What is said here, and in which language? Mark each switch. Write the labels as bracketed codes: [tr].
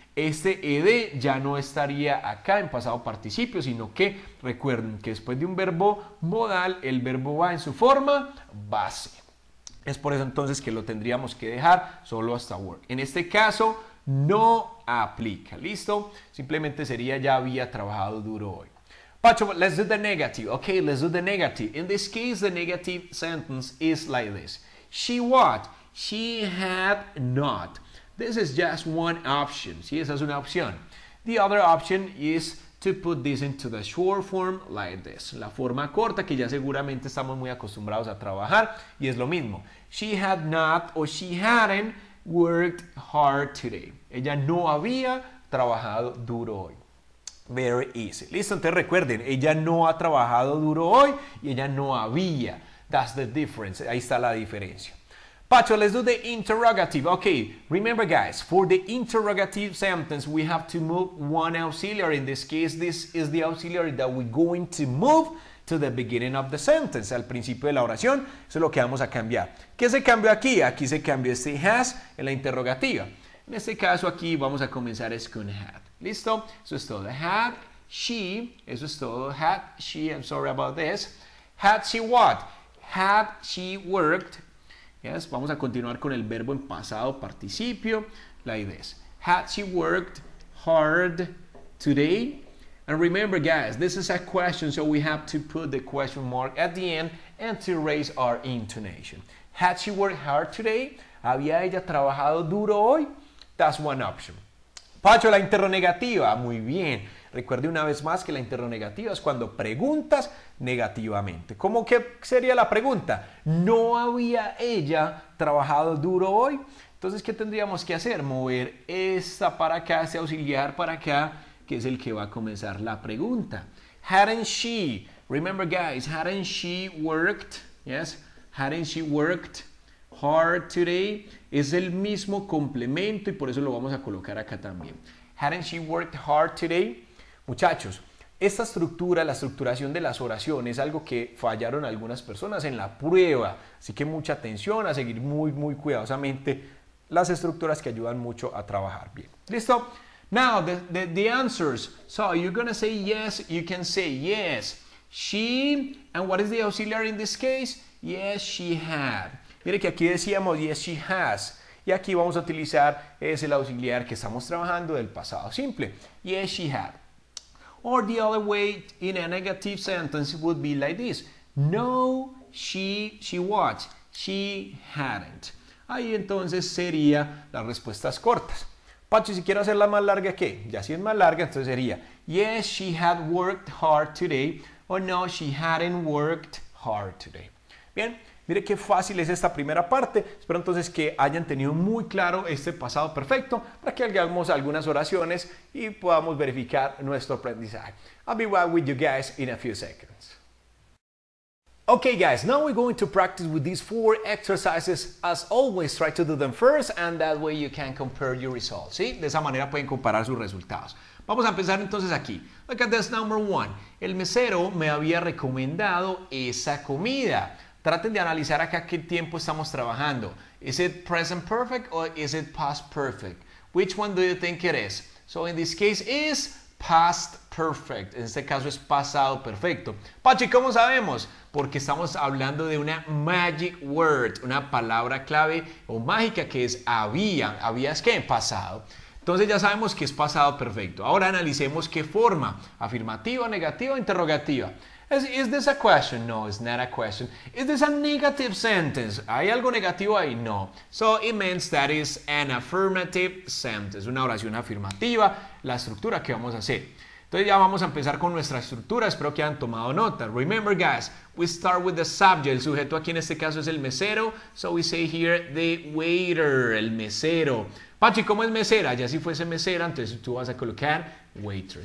[es] Este ed ya no estaría acá en pasado participio, sino que recuerden que después de un verbo modal, el verbo va en su forma base. Es por eso entonces que lo tendríamos que dejar solo hasta word. En este caso, no aplica, ¿listo? Simplemente sería ya había trabajado duro hoy. [en] Pacho, let's do the negative. Okay, let's do the negative. In this case, the negative sentence is like this. She what? She had not. This is just one option. [es] Sí, esa es una opción. [en] The other option is to put this into the short form like this. [es] La forma corta que ya seguramente estamos muy acostumbrados a trabajar y es lo mismo. [en] She had not or she hadn't worked hard today. [es] Ella no había trabajado duro hoy. [en] Very easy. [es] Listo, entonces recuerden, ella no ha trabajado duro hoy y ella no había. [en] That's the difference. [es] Ahí está la diferencia. [en] Pacho, let's do the interrogative. Okay, remember guys, for the interrogative sentence, we have to move one auxiliary. In this case, this is the auxiliary that we're going to move to the beginning of the sentence. [es] Al principio de la oración, eso es lo que vamos a cambiar. ¿Qué se cambió aquí? Aquí se cambió este has en la interrogativa. En este caso aquí vamos a comenzar es con had. ¿Listo? Eso es todo. [en] Had she, [es] eso es todo. [en] Had she, I'm sorry about this. Had she what? Had she worked. [es] Yes, vamos a continuar con el verbo en pasado participio. [en] Like this. Had she worked hard today? And remember guys, this is a question, so we have to put the question mark at the end and to raise our intonation. Had she worked hard today? [es] ¿Había ella trabajado duro hoy? [en] That's one option. [es] Pacho, la interronegativa. Muy bien. Recuerde una vez más que la interronegativa es cuando preguntas negativamente. ¿Cómo que sería la pregunta? ¿No había ella trabajado duro hoy? Entonces, ¿qué tendríamos que hacer? Mover esta para acá, este auxiliar para acá, que es el que va a comenzar la pregunta. [en] Hadn't she? Remember, guys, hadn't she worked? Yes, hadn't she worked hard today? [es] Es el mismo complemento y por eso lo vamos a colocar acá también. [en] Hadn't she worked hard today? [es] Muchachos, esta estructura, la estructuración de las oraciones es algo que fallaron algunas personas en la prueba. Así que mucha atención a seguir muy, muy cuidadosamente las estructuras que ayudan mucho a trabajar bien. [en] ¿Listo? Now, the answers. So, you're going to say yes, you can say yes. She, and what is the auxiliary in this case? Yes, she had. [es] Mire que aquí decíamos, [en] yes, she has. [es] Y aquí vamos a utilizar ese auxiliar que estamos trabajando del pasado simple. [en] Yes, she had. Or the other way in a negative sentence would be like this. No, she what? She hadn't. [es] Ahí entonces sería las respuestas cortas. Pacho, si quiero hacerla más larga, ¿qué? Ya si es más larga, entonces sería, [en] yes, she had worked hard today. Or no, she hadn't worked hard today. Bien. [es] Mire qué fácil es esta primera parte. Espero entonces que hayan tenido muy claro este pasado perfecto para que hagamos algunas oraciones y podamos verificar nuestro aprendizaje. [en] I'll be right with you guys in a few seconds. Okay, guys, now we're going to practice with these four exercises. As always, try to do them first and that way you can compare your results. [es] ¿Sí? De esa manera pueden comparar sus resultados. Vamos a empezar entonces aquí. [en] Look at this number one. [es] El mesero me había recomendado esa comida. Traten de analizar acá qué tiempo estamos trabajando. [en] Is it present perfect or is it past perfect? Which one do you think it is? So in this case is past perfect. [es] En este caso es pasado perfecto. Pachi, ¿cómo sabemos? Porque estamos hablando de una magic word, una palabra clave o mágica que es había. ¿Había es qué? Pasado. Entonces ya sabemos que es pasado perfecto. Ahora analicemos qué forma. Afirmativa, negativa, interrogativa. [en] Is this a question? No, it's not a question. Is this a negative sentence? [es] ¿Hay algo negativo ahí? [en] No. So it means that is an affirmative sentence. [es] Una oración afirmativa. La estructura que vamos a hacer. Entonces ya vamos a empezar con nuestra estructura. Espero que hayan tomado nota. [en] Remember, guys, we start with the subject. [es] El sujeto aquí en este caso es el mesero. [en] So we say here the waiter, el mesero. [es] Pachi, ¿cómo es mesera? Ya si fuese mesera, entonces tú vas a colocar waiter.